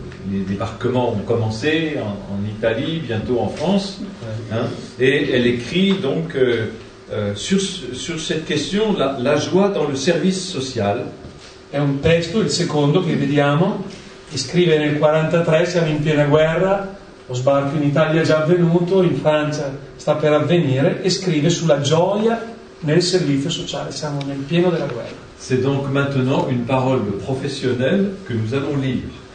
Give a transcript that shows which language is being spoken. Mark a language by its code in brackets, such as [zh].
[fr] Les débarquements ont commencé en Italie, bientôt en France, hein, et elle écrit donc sur cette question la joie dans le service social. [it] È un testo, il secondo che vediamo, che scrive nel 43, siamo in piena guerra, lo sbarco in Italia è già avvenuto, in Francia sta per avvenire, e scrive sulla gioia nel servizio sociale, siamo nel pieno della guerra. [fr] C'est donc maintenant une parole professionnelle que nous allons lire.